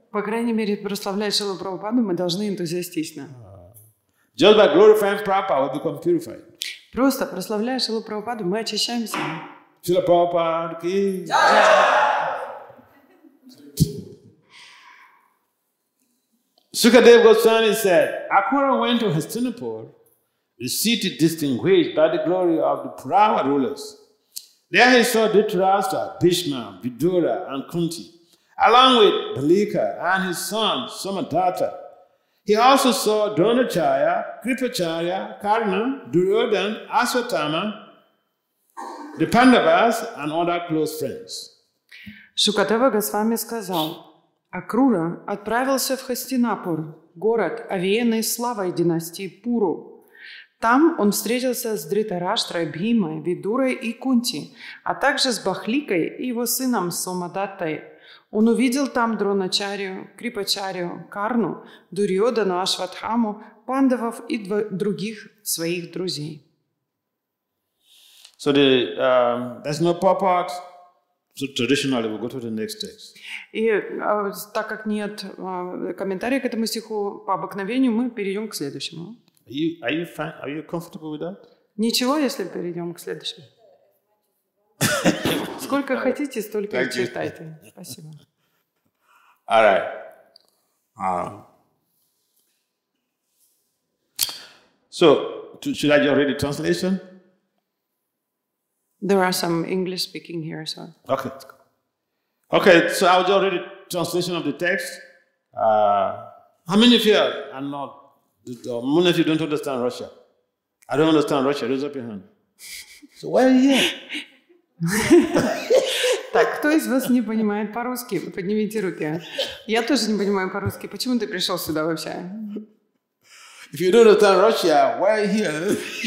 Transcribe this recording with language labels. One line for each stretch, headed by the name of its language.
Russian: По крайней мере, прославляя Шрилу Прабхупаду, мы должны энтузиастично.
English: Just by glorifying Prabhupada, we become purified.
Russian: Просто прославляя Шрилу Прабхупаду, мы очищаемся.
Hindi: Srila Prabhupada ki jai.
English: Sukadeva Goswami said, Akura went to Hastinapur, the city distinguished by the glory of the Purava rulers. There he saw Dhritarashtra, Bhishma, Vidura, and Kunti, along with Balika and his son Somadatta. He also saw Dronacharya, Kripacharya, Karna, Duryodhan, Ashwatthama, the Pandavas, and other close friends.
Russian: Sukadeva Goswami сказал, Акрура отправился в Хастинапур, город, овеянный славой династии Пуру. Там он встретился с Дритараштрой, Бхимой, Видурой и Кунти, а также с Бахликой и его сыном Сомадаттой. Он увидел там Дроначарию, Крипачарию, Карну, Дурьодану, Ашватхаму, Пандавов и других своих друзей.
English: So there's no purport. So traditionally, we go to the next text.
Russian: И так как нет комментария к этому стиху, по обыкновению мы перейдем к следующему.
English: Are you comfortable with that?
Russian: Ничего, если перейдем к следующему. Сколько хотите, столько и читайте. Спасибо.
English: All right. Should I just read the translation? There are some English speaking here, so. Okay, so I'll just read the translation of the text. How many of you are not, how many of you don't understand Russia? I don't understand Russia, raise up your hand. So why are you here?
Russian: Так, кто из вас не понимает по-русски? Поднимите руки. Я тоже не понимаю по-русски. Почему ты пришел сюда вообще?
English: If you don't understand Russia, why are you here?